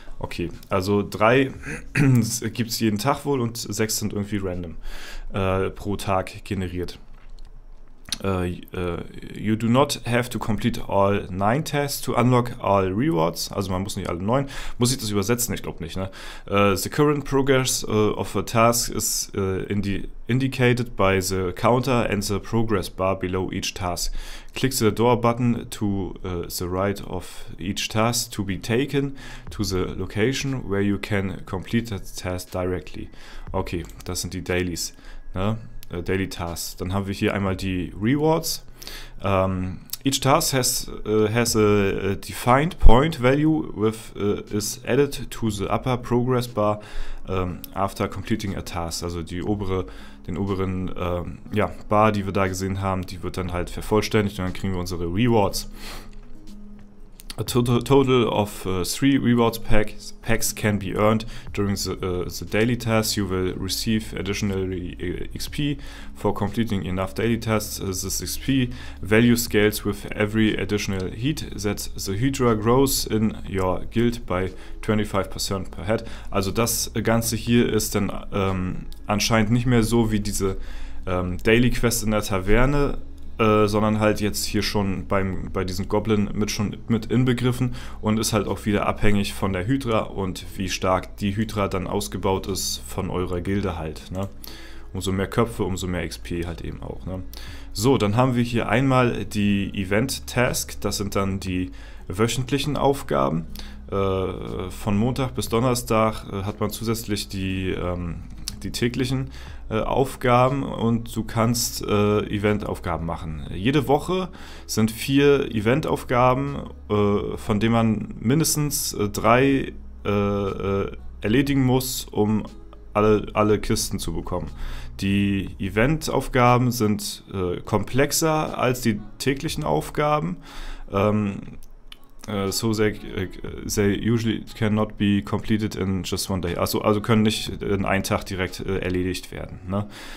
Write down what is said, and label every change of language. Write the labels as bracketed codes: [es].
[de] Okay, also drei gibt es jeden Tag wohl und sechs sind irgendwie random pro Tag generiert. [en] You do not have to complete all 9 tasks to unlock all rewards. [de] Also man muss nicht alle 9. Muss ich das übersetzen? Ich glaube nicht. Ne? [en] The current progress of a task is indicated by the counter and the progress bar below each task. Click the door button to the right of each task to be taken to the location where you can complete that task directly. [de] Okay, das sind die Dailies. Ne? Daily Tasks. Dann haben wir hier einmal die Rewards. [en] Each task has a defined point value with is added to the upper progress bar after completing a task. [de] Also die obere, den oberen Bar, die wir da gesehen haben, die wird dann halt vervollständigt und dann kriegen wir unsere Rewards. [en] A total of 3 rewards packs can be earned during the daily tasks. You will receive additionally XP for completing enough daily tasks. This XP value scales with every additional heat that the Hydra grows in your guild by 25% per head. [de] Also das Ganze hier ist dann anscheinend nicht mehr so wie diese Daily Quest in der Taverne. Sondern halt jetzt hier schon bei diesem Goblin schon mit inbegriffen und ist halt auch wieder abhängig von der Hydra und wie stark die Hydra dann ausgebaut ist von eurer Gilde halt. Ne? Umso mehr Köpfe, umso mehr XP halt eben auch. Ne? So, dann haben wir hier einmal die Event Task, das sind dann die wöchentlichen Aufgaben. Von Montag bis Donnerstag hat man zusätzlich die die täglichen Aufgaben und du kannst Eventaufgaben machen. Jede Woche sind 4 Eventaufgaben, von denen man mindestens 3 erledigen muss, um alle Kisten zu bekommen. Die Eventaufgaben sind komplexer als die täglichen Aufgaben. [en] So they usually cannot be completed in just one day. [de] Also können nicht in einem Tag direkt erledigt werden. Ne?